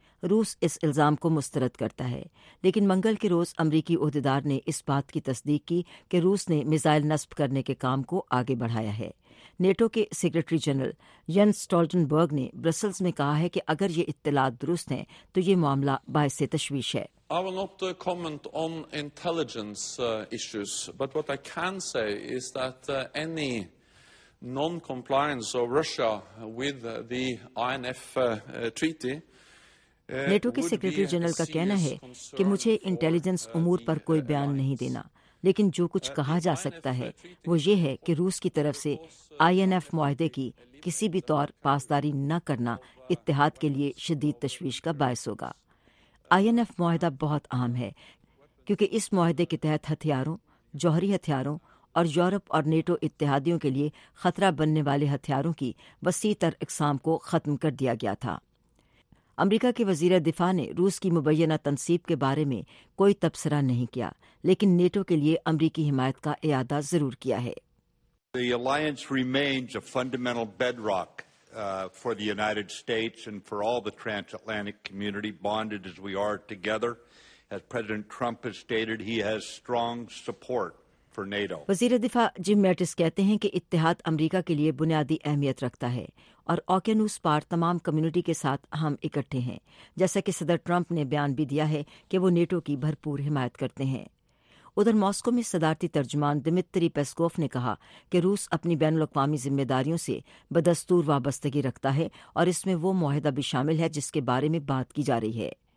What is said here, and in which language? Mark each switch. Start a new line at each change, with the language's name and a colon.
Urdu: روس اس الزام کو مسترد کرتا ہے, لیکن منگل کے روز امریکی عہدیدار نے اس بات کی تصدیق کی کہ روس نے میزائل نصب کرنے کے کام کو آگے بڑھایا ہے. نیٹو کے سیکرٹری جنرل ینس سٹولٹنبرگ نے برسلز میں کہا ہے کہ اگر یہ اطلاعات درست ہیں تو یہ معاملہ باعث تشویش ہے.
English: I will not comment on intelligence issues, but what I can say is that any non-compliance of Russia with the INF treaty.
Urdu: NATO کے سیکرٹری جنرل کا کہنا ہے کہ مجھے انٹیلیجنس امور پر کوئی بیان نہیں دینا, لیکن جو کچھ کہا جا سکتا ہے وہ یہ ہے کہ روس کی طرف سے INF معاہدے کی کسی بھی طور پاسداری نہ کرنا اتحاد کے لیے شدید تشویش کا باعث ہوگا. INF معاہدہ بہت اہم ہے کیونکہ اس معاہدے کے تحت ہتھیاروں, جوہری ہتھیاروں اور یورپ اور نیٹو اتحادیوں کے لیے خطرہ بننے والے ہتھیاروں کی وسیع تر اقسام کو ختم کر دیا گیا تھا. امریکہ کے وزیر دفاع نے روس کی مبینہ تنصیب کے بارے میں کوئی تبصرہ نہیں کیا, لیکن نیٹو کے لیے امریکی حمایت کا اعادہ ضرور کیا ہے.
English: The alliance remains a fundamental bedrock for the United States and for all the transatlantic community, bonded as we are together. As President Trump has stated, he has strong support
Urdu: وزیر دفاع جم میٹس کہتے ہیں کہ اتحاد امریکہ کے لیے بنیادی اہمیت رکھتا ہے اور اوکینوس پار تمام کمیونٹی کے ساتھ ہم اکٹھے ہیں، جیسا کہ صدر ٹرمپ نے بیان بھی دیا ہے کہ وہ نیٹو کی بھرپور حمایت کرتے ہیں۔ ادھر ماسکو میں صدارتی ترجمان دمیتری پیسکوف نے کہا کہ روس اپنی بین الاقوامی ذمہ داریوں سے بدستور وابستگی رکھتا ہے اور اس میں وہ معاہدہ بھی شامل ہے جس کے بارے میں بات کی جا رہی ہے۔